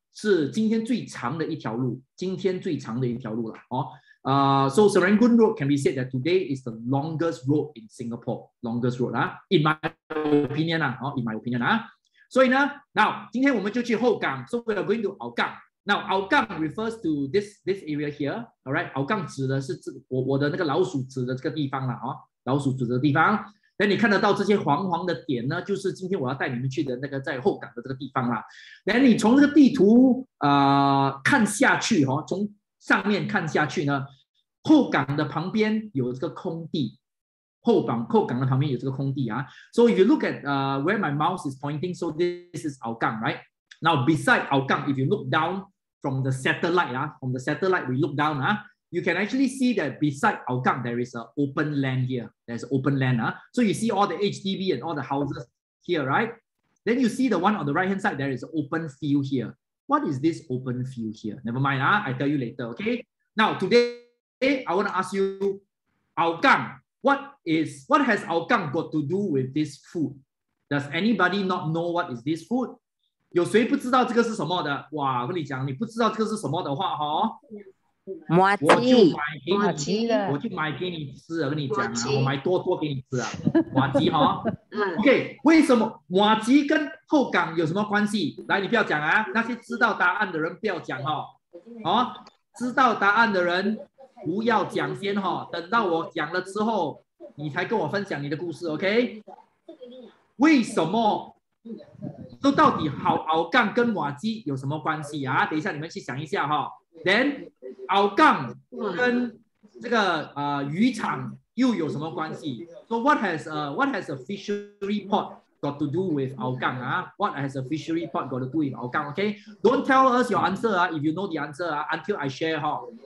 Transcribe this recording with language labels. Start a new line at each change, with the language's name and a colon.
Chinese: 是今天最长的一条路，今天最长的一条路了。
English: 哦，So Serangoon Road can be said that today is the longest road in Singapore. Longest road 啊 ，in my opinion 啊，哦 ，in my opinion 啊。
Chinese: 所以呢 ，Now 今天我们就去后港 ，
English: So we are going to
Chinese: 鳌港。
English: Now 鳌港 refers to this area here.
Chinese: All right， 鳌港指的是我的那个老鼠指的这个地方了。哦，老鼠指的地方。那你看得到这些黄黄的点呢，就是今天我要带你们去的那个在后港的这个地方啦。那你从这个地图看下去哦，从上面看下去呢，后港的旁边有这个空地，后港的旁边有这个空地啊。
English: So if you look at where my mouse is pointing, so this is 鳌港 right? Now beside 鳌港 if you look down from the satellite 啊 ，from the satellite we look down 啊。 You can actually see that beside 鳌港 there is an open land here. There's open land.、Huh? So you see all the HDB and all the houses here, right? Then you see the one on the right-hand side, there is an open field here. What is this open field here? Never mind,、huh? I tell you later, okay? Now, today, I want to ask you, 鳌港, what has 鳌港 got to do with this food? Does anybody not know what is this food?
Chinese: 有谁不知道这个是什么的?哇,跟你讲,你不知道这个是什么的话,哦。麻糬，我就买给你吃了，跟你讲啊，我买多给你吃啊，麻糬哈。 OK， 为什么麻糬跟后港有什么关系？来，你不要讲啊，那些知道答案的人不要讲哈、哦，好、哦，知道答案的人不要讲先哈、哦，等到我讲了之后，你才跟我分享你的故事 ，OK？ 为什么？都到底鳌港跟麻糬有什么关系啊？等一下你们去想一下哈、哦、，then。鳌港跟这个渔场又有什么关系
English: ？So what has a fishery port got to do with 鳌港啊 ？What has a fishery port got to do with 鳌港 ？Okay, don't tell us your answer 啊 ，if you know the answer 啊 ，until I share 哈。